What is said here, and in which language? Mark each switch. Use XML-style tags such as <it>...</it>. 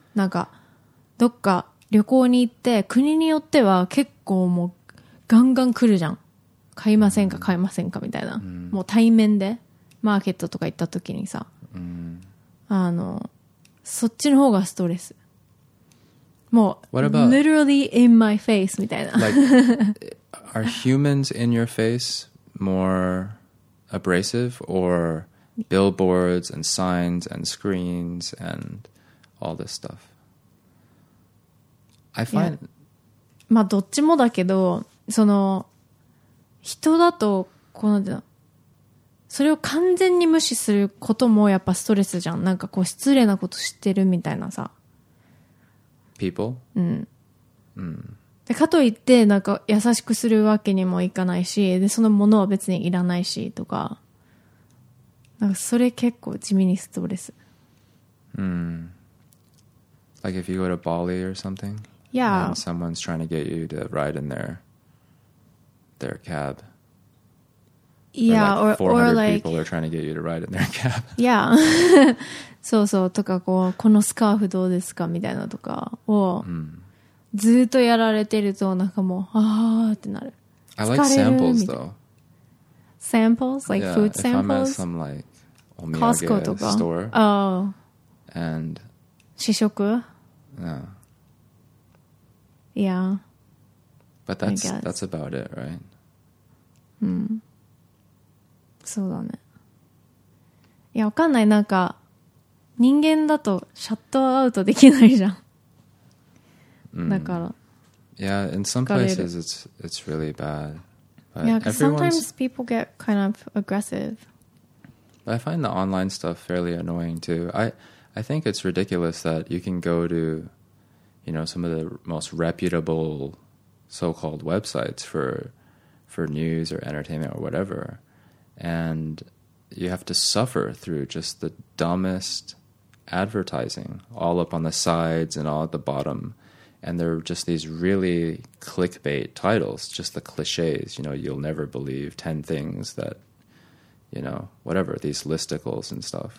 <ja>なんかどっか旅行に行って、国によっては結構もうガンガン来るじゃん。買いませんか買いませんかみたいな、もう対面でマーケットとか行った時にさ、そっちの方がストレス。</ja> <en>What about literally in my face?</en> <ja>みたいな。</ja> <en>Like, are humans in your face more abrasive, or billboards and signs and screens and all this stuff? I find.</en> <ja>まあどっちもだけど、その人だとこのそれを完全に無視することもやっぱストレスじゃん。なんかこう失礼なことしてるみたいなさ。</ja> <en>People?</en> <ja>でかといってなんか優しくするわけにもいかないし、でそのものは別にいらないしとか、なんかそれ結構地味にストレス。</ja> <en>Like if you go to Bali or something, yeah, and someone's trying to get you to ride in their cab. Yeah, or like 400 or like, people are trying to get you to ride in their cab. Yeah.</en> <ja>そうそう、とかこう、このスカーフどうですかみたいなとかを、ずっとやられてるとなんかもう、あーってなる。</ja> <en>I like samples though. Samples? Like food samples? Yeah, if I'm at some like omiyage store.</en> <ja>Costco とか?</ja> <en>Oh. And...</en> <ja>試食?</ja> <en>Yeah. Yeah. But that's about it, right?</en> <ja>そうだね。いや、わかんない。なんか、人間だとシャットアウトできないじゃん。だから。</ja> <en>Yeah, in some places it's really bad. But yeah, because sometimes people get kind of aggressive. I find the online stuff fairly annoying too. I think it's ridiculous that you can go to, you know, some of the most reputable so-called websites for news or entertainment or whatever, and you have to suffer through just the dumbest advertising all up on the sides and all at the bottom, and they're just these really clickbait titles, just the cliches, you know, you'll never believe 10 things that, you know, whatever, these listicles and stuff.</en>